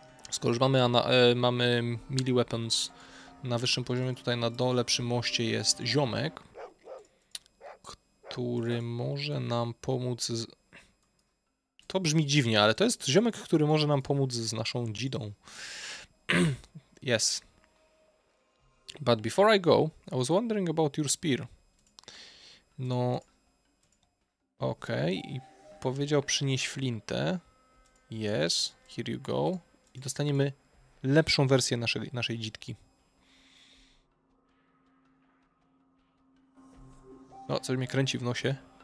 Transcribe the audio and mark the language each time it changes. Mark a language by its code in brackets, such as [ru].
[pl] Skoro już mamy melee weapons na wyższym poziomie, tutaj na dole przy moście jest ziomek, który może nam pomóc z... To brzmi dziwnie, ale to jest ziomek, który może nam pomóc z naszą dzidą. [en] Yes. But before I go, I was wondering about your spear. [pl] No... Okej, okay. I powiedział przynieść flintę. [en] Yes, here you go. [pl] I dostaniemy lepszą wersję naszej dzidki. No, coś mnie kręci w nosie.